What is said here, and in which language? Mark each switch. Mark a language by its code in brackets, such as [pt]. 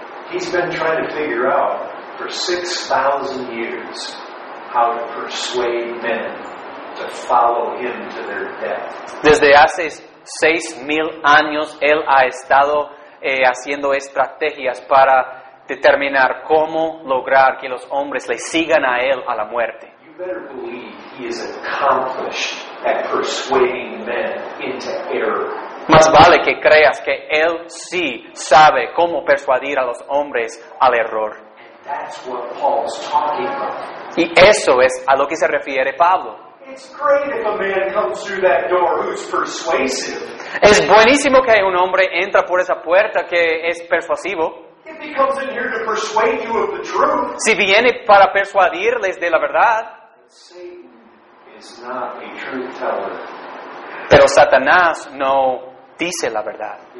[en] He's been trying to figure out for 6,000 years how to persuade men to follow him to their death. [es] Desde hace 6,000 años, él ha estado haciendo estrategias para determinar cómo lograr que los hombres le sigan a él a la muerte. [en] You better believe he is accomplished at persuading men into error. [es] Más vale que creas que él sí sabe cómo persuadir a los hombres al error. [en] That's what Paul's talking about. [es] Y eso es a lo que se refiere Pablo. [en] It's great if a man comes through that door who's persuasive. [es] Es buenísimo que un hombre entra por esa puerta que es persuasivo. [en] If he comes in here to persuade you of the truth. [es] Si viene para persuadirles de la verdad. [en] Satan is not a truth teller. [es] Pero Satanás no dice la verdad.